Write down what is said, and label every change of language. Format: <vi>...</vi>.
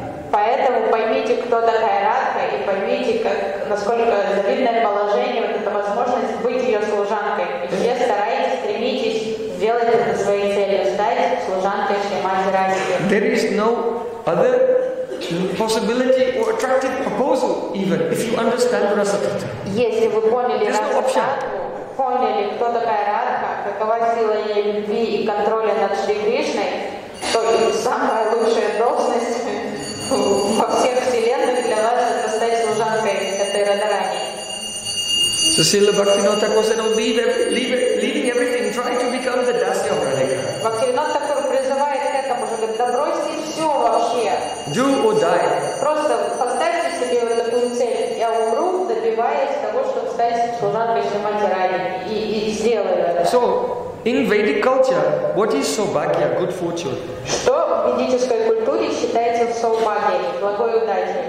<ru>Поэтому поймите, кто такая Радха, и поймите, как, насколько завидное положение, вот эта возможность быть ее служанкой. И все старайтесь, стремитесь сделать это своей целью, стать служанкой Шримати Радхи.</ru> <en>There is no other possibility or attractive proposal even if you understand Rasatattva.</en> <ru>Если вы поняли</ru> <en>Rasatattva, no</en> <ru>поняли, кто такая Радха, какова сила ее любви и контроля над Шри Кришной, то самая лучшая должность во всех вселенных для вас это стать служанкой этой Радхарани.</ru> <en>Sushila Bhaktivinoda Thakur said, oh, leaving everything, try to become the Dasya of Radhika.</en> <ru>Bhaktivinoda Thakur призывает к этому, что говорит, да бросьте все вообще.</ru> <en>Do or die.</en> <ru>Просто поставьте себе вот такую цель. Я умру, добиваясь того, чтобы стать служанкой Шримати Радхи. И сделаю это.</ru> <en>So, in Vedic culture, what is Saubhagya, good fortune?</en> <ru>Что в ведической культуре считается Saubhagya, благой удачей?</ru>